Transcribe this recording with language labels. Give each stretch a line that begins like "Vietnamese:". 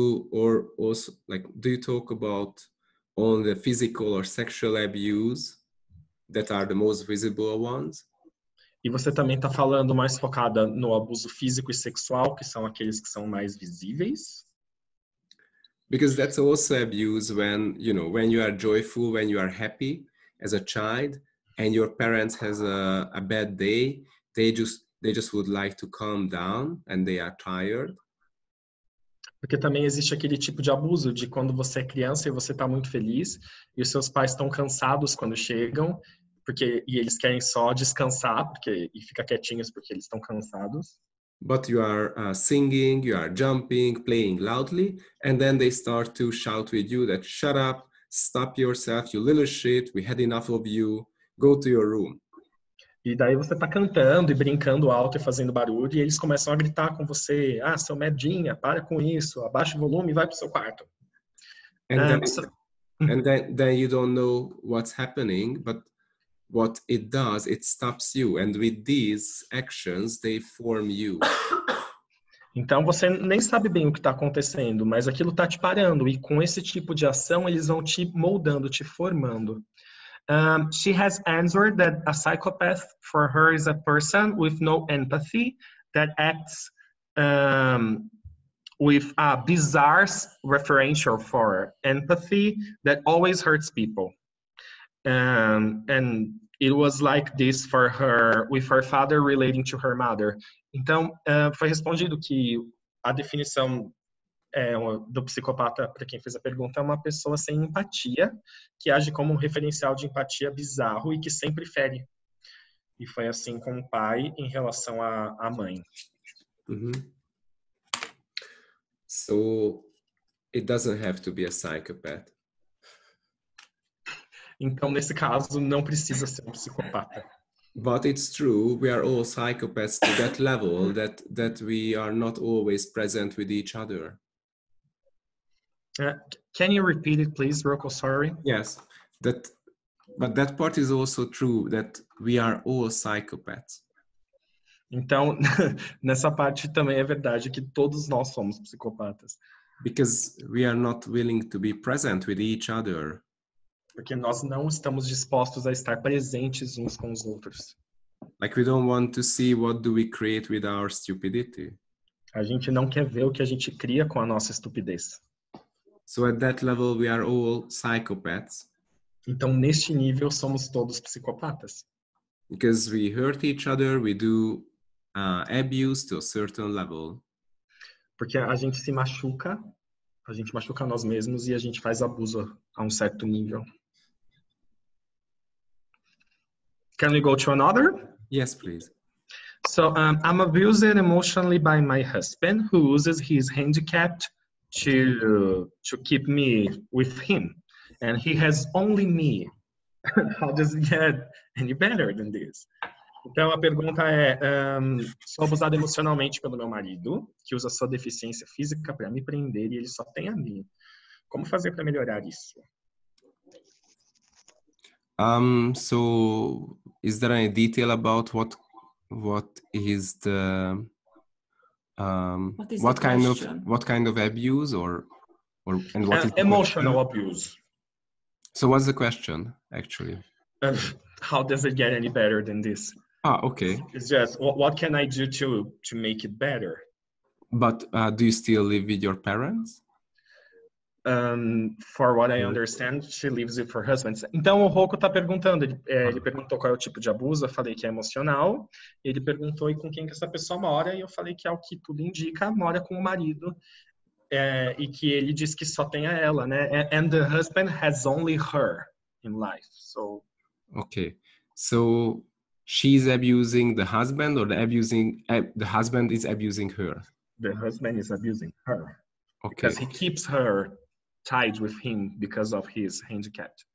English: Or do you talk about only the physical or sexual abuse that are the most visible ones?
Portuguese: E você também está falando mais focada no abuso físico e sexual, que são aqueles que são mais visíveis?
English: Because that's also abuse when, you know, when you are joyful, when you are happy as a child, and your parents has a bad day, they just would like to calm down and they are tired.
Portuguese: Porque também existe aquele tipo de abuso de quando você é criança e você está muito feliz e os seus pais estão cansados quando chegam, porque e eles querem só descansar, porque e ficar quietinhos porque eles estão cansados.
English: But you are singing, you are jumping, playing loudly, and then they start to shout with you that shut up, stop yourself, you little shit, we had enough of you, go to your room.
Portuguese: E daí você tá cantando e brincando alto e fazendo barulho e eles começam a gritar com você, ah, seu merdinha, para com isso, abaixa o volume e vai pro seu quarto.
English: And then you don't know what's happening, but what it does, it stops you. And with these actions, they form you.
Portuguese: Então você nem sabe bem o que tá acontecendo, mas aquilo tá te parando e com esse tipo de ação eles vão te moldando, te formando.
English: She has answered that a psychopath for her is a person with no empathy that acts with a bizarre referential for empathy that always hurts people. And it was like this for her, with her father relating to her mother.
Portuguese: Então, foi respondido que a definição do psicopata, para quem fez a pergunta, é uma pessoa sem empatia, que age como um referencial de empatia bizarro e que sempre fere. E foi assim com o pai em relação à mãe. Uhum.
English: So, it doesn't have to be a psychopath.
Portuguese: Então, nesse caso, não precisa ser um psicopata.
English: But it's true, we are all psychopaths to that level that we are not always present with each other. Can you repeat it, please, Rocco? Sorry. Yes, but that part is also true, that we are all psychopaths.
Portuguese: Então, nessa parte também é verdade que todos nós somos psicopatas.
English: Because we are not willing to be present with each other.
Portuguese: Porque nós não estamos dispostos a estar presentes uns com os outros.
English: Like we don't want to see what do we create with our stupidity.
Portuguese: A gente não quer ver o que a gente cria com a nossa estupidez.
English: So at that level we are all psychopaths.
Portuguese: Então neste nível somos todos psicopatas.
English: Because we hurt each other, we do abuse to a certain level.
Portuguese: Porque a gente se machuca, a gente machuca nós mesmos e a gente faz abuso a um certo nível.
English: Can we go to another? Yes, please. So I'm abused emotionally by my husband who uses his handicap to keep me with him, and he has only me. How does it get any better than this?
Portuguese: Então a pergunta é, sou abusado emocionalmente pelo meu marido, que usa sua deficiência física para me prender e ele só tem a mim. Como fazer para melhorar isso?
English: So is there any detail about what kind of abuse or And what is emotional abuse. So what's the question, actually? How does it get any better than this? Ah, okay. It's just, what can I do to make it better? But do you still live with your parents? For what I understand, she lives with her husband.
Portuguese: Então, o Rocco está perguntando, ele perguntou qual é o tipo de abuso, eu falei que é emocional. Ele perguntou e com quem que essa pessoa mora, e eu falei que é o que tudo indica, mora com o marido. E que ele diz que só tem a ela, né?
English: And the husband has only her in life, so... Okay, so she's abusing the husband or the husband is abusing her? The husband is abusing her. Okay. Because he keeps her tied with him because of his handicap.